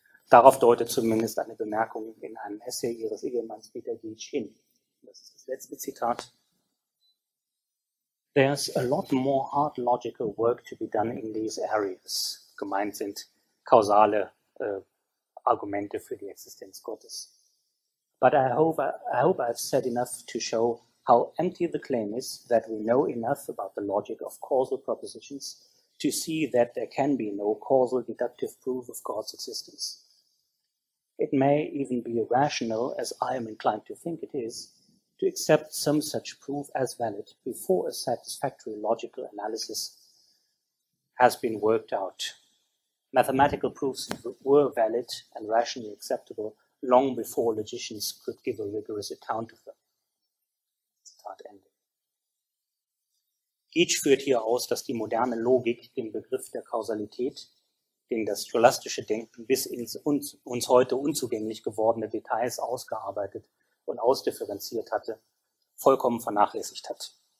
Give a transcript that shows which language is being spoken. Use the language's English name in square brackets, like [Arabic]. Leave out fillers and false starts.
[German] Darauf deutet zumindest eine Bemerkung in einem Essay ihres Ehemanns Peter Gietsch hin. Das ist das letzte Zitat. [English] There's a lot more hard logical work to be done in these areas. [German] Gemeint sind kausale Argumente für die Existenz Gottes. [English] But I hope I've said enough to show how empty the claim is that we know enough about the logic of causal propositions to see that there can be no causal deductive proof of God's existence. It may even be rational, as I am inclined to think it is, to accept some such proof as valid before a satisfactory logical analysis has been worked out. Mathematical proofs were valid and rationally acceptable long before logicians could give a rigorous account of them. [German] Zitat Ende. Geech führt hier aus, dass die moderne Logik den Begriff der Kausalität, den das scholastische Denken bis ins uns heute unzugänglich gewordene Details ausgearbeitet und ausdifferenziert hatte, vollkommen vernachlässigt hat.